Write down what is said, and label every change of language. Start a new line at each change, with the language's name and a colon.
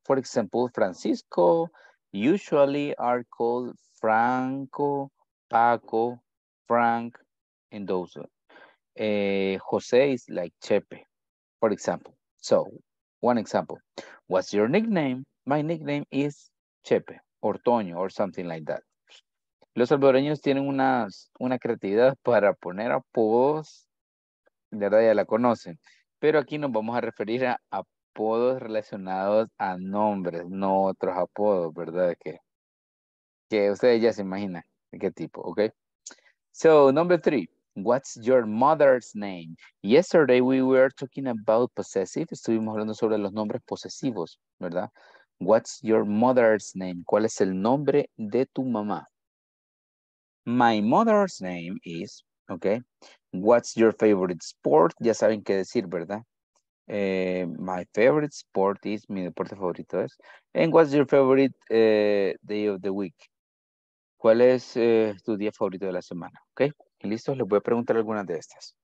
English: For example, Francisco usually are called Franco, Paco, Frank, and those. Jose is like Chepe, for example. So, one example. What's your nickname? My nickname is Chepe, or Toño, or something like that.
Spanish: Los salvadoreños tienen una creatividad para poner apodos ¿verdad? Ya la conocen. Pero aquí nos vamos a referir a apodos relacionados a nombres, no otros apodos, ¿verdad? Que ustedes ya se imaginan de qué tipo, ¿ok?
English: So, number three. What's your mother's name? Yesterday we were talking about possessive.
Spanish: Estuvimos hablando sobre los nombres posesivos, ¿verdad?
English: What's your mother's name?
Spanish: ¿Cuál es el nombre de tu mamá?
English: My mother's name is, ¿ok? What's your favorite sport?
Spanish: Ya saben qué decir, ¿verdad?
English: My favorite sport is,
Spanish: mi deporte favorito es.
English: And what's your favorite day of the week?
Spanish: ¿Cuál es tu día favorito de la semana? ¿Ok? Listo, les voy a preguntar algunas de estas.